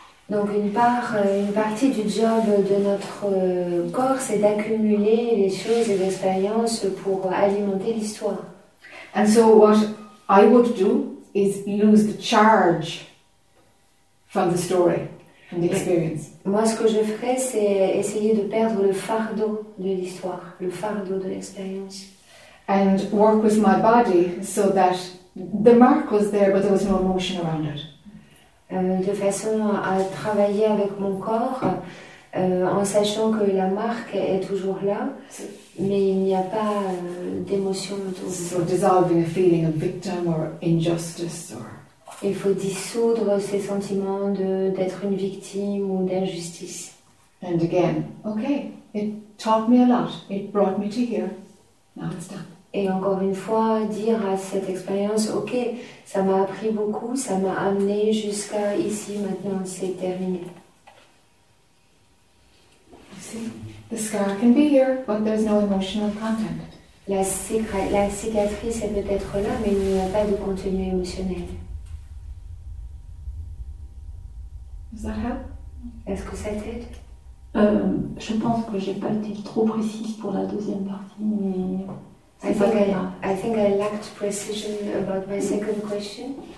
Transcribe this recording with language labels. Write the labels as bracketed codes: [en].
[fr] Donc une partie du job de notre corps, c'est d'accumuler les choses et l'expérience pour alimenter l'histoire. [en] And so what I would do is lose the charge from the story, from the experience. [fr] Moi, ce que je ferais, c'est essayer de perdre le fardeau de l'histoire, le fardeau de l'expérience. [en] And work with my body so that the mark was there, but there was no emotion around it. [fr] De façon à travailler avec mon corps, en sachant que la marque est toujours là, mais il n'y a pas d'émotion autour. [en] So dissolving a feeling of victim or injustice or... [fr] Il faut dissoudre ces sentiments d'être une victime ou d'injustice. [en] And again, okay, it taught me a lot. It brought me to here. Now it's done. [fr] Et encore une fois, dire à cette expérience, ok, ça m'a appris beaucoup, ça m'a amené jusqu'à ici, maintenant c'est terminé. [en] See, the scar can be here, but there's no emotional content. [fr] La cicatrice est peut-être là, mais il n'y a pas de contenu émotionnel. Ça va? Est-ce que ça t'aide? Je pense que je n'ai pas été trop précise pour la deuxième partie, mais c'est pas grave. [en] I think I lacked precision about my second question.